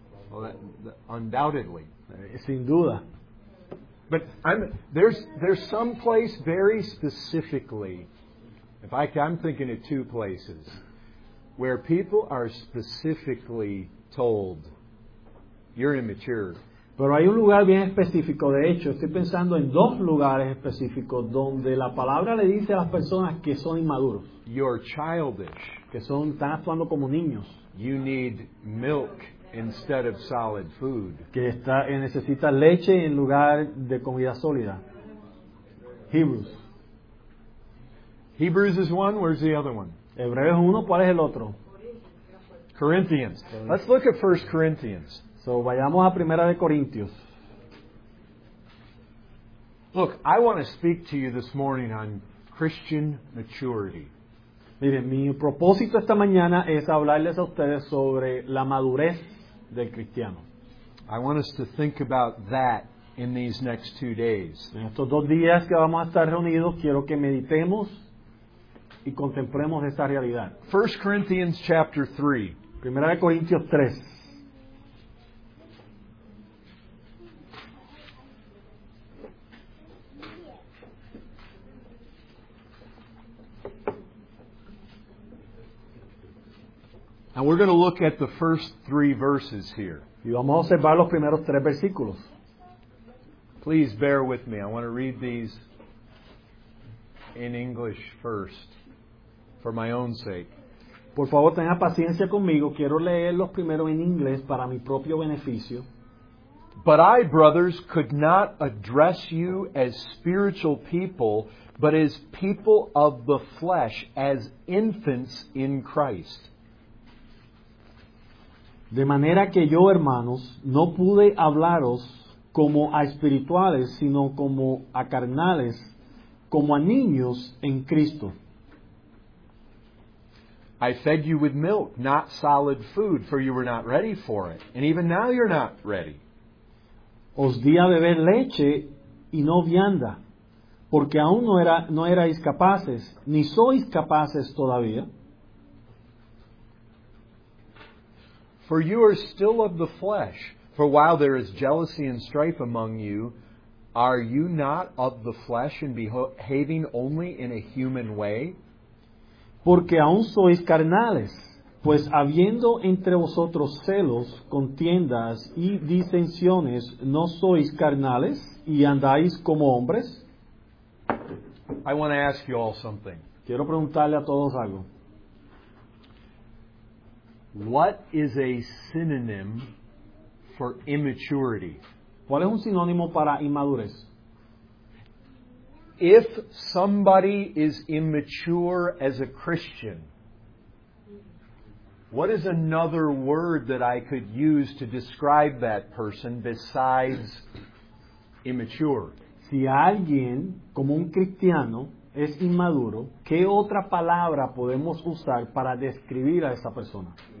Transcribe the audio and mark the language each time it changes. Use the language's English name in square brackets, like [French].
[English] Well, that undoubtedly. [Spanish] Sin duda. [English] But there's some place very specifically, I'm thinking of two places, where people are specifically told, you're immature. [Spanish] Pero hay un lugar bien específico, de hecho, estoy pensando en dos lugares específicos donde la palabra le dice a las personas que son inmaduros. [English] You're childish. [Spanish] Que están actuando como niños. [English] You need milk instead of solid food. [Spanish] Que necesita leche en lugar de comida sólida. [English] Hebrews. Hebrews is one. Where's the other one? [Spanish] Hebreos es uno. ¿Cuál es el otro? [English] Corinthians. Let's look at 1 Corinthians. [Spanish] So vayamos a Primera de Corintios. [English] Look, I want to speak to you this morning on Christian maturity. [Spanish] Miren, mi propósito esta mañana es hablarles a ustedes sobre la madurez del cristiano. [English] I want us to think about that in these next 2 days. [Spanish] En estos 2 días que vamos a estar reunidos, quiero que meditemos y contemplemos esta realidad. [English] 1 Corinthians chapter 3. [Spanish] Primera de Corintios 3. [English] And we're going to look at the first 3 verses here. [Spanish] Y vamos a observar los primeros 3 versículos. [English] Please bear with me. I want to read these in English first, for my own sake. [Spanish] Por favor, tenga paciencia conmigo. Quiero leerlos primero en inglés para mi propio beneficio. [English] But I, brothers, could not address you as spiritual people, but as people of the flesh, as infants in Christ. [Spanish] De manera que yo, hermanos, no pude hablaros como a espirituales, sino como a carnales, como a niños en Cristo. [English] I fed you with milk, not solid food, for you were not ready for it. And even now you're not ready. [Spanish] Os di a beber leche y no vianda, porque aún no erais capaces, ni sois capaces todavía. [English] For you are still of the flesh. For while there is jealousy and strife among you, are you not of the flesh and behaving only in a human way? [Spanish] Porque aún sois carnales, pues habiendo entre vosotros celos, contiendas y disensiones, ¿no sois carnales y andáis como hombres? [English] I want to ask you all something. [Spanish] Quiero preguntarle a todos algo. [English] What is a synonym for immaturity? [Spanish] ¿Cuál es un sinónimo para inmadurez? [English] If somebody is immature as a Christian, what is another word that I could use to describe that person besides immature? [Spanish] Si alguien, como un cristiano, es inmaduro, ¿qué otra palabra podemos usar para describir a esa persona?